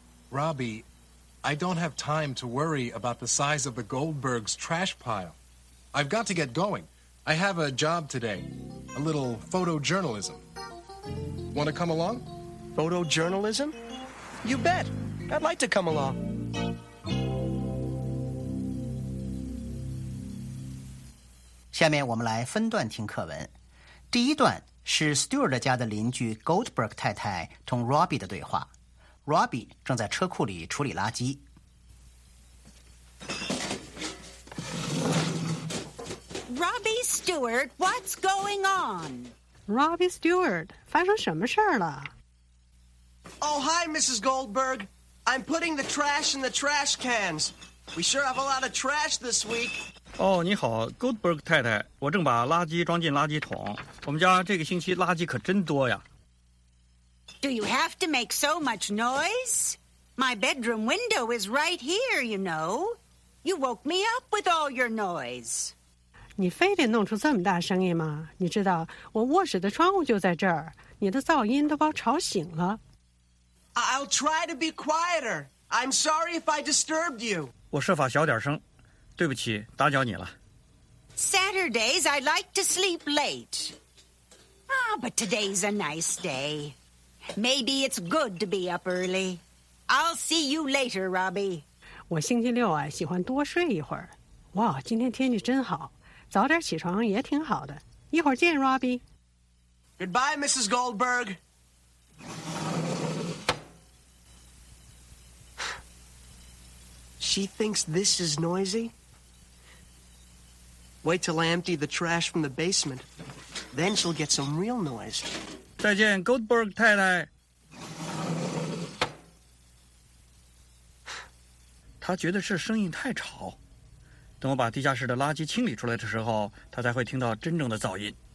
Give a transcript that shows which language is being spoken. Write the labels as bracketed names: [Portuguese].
[English] Robbie, I don't have time to worry about the size of the Goldbergs' trash pile. I've got to get going. I have a job today. A little photojournalism. Want to come along? Photojournalism? You bet. I'd like to come along. [Chinese] 下面我们来分段听课文。第一段是 Stewart 家的邻居 Goldberg 太太同 Robbie 的对话。 Robbie 正在车库里处理垃圾。 [English] Robbie Stewart, what's going on? [Chinese] Robbie Stewart, 发生什么事了？ [English] Oh, hi, Mrs. Goldberg. I'm putting the trash in the trash cans. We sure have a lot of trash this week. [Chinese] Oh, 你好 ,Goldberg 太太。我正把垃圾装进垃圾桶。我们家这个星期垃圾可真多呀。 [English] Do you have to make so much noise? My bedroom window is right here, you know. You woke me up with all your noise. [Chinese] 你非得弄出这么大声音吗？你知道，我卧室的窗户就在这儿，你的噪音都把我吵醒了。 [English] I'll try to be quieter. I'm sorry if I disturbed you. [Chinese] 我设法小点声，对不起，打搅你了。 [English] Saturdays, I like to sleep late. Ah, but today's a nice day. Maybe it's good to be up early. I'll see you later, Robbie. [Chinese] 我星期六啊，喜欢多睡一会儿。哇，今天天气真好，早点起床也挺好的。一会儿见 ，Robbie. [English] Goodbye, Mrs. Goldberg. She thinks this is noisy? Wait till I empty the trash from the basement. Then she'll get some real noise. [Chinese] 再见 ,Goldberg 太太。她觉得这声音太吵。等我把地下室的垃圾清理出来的时候，她才会听到真正的噪音。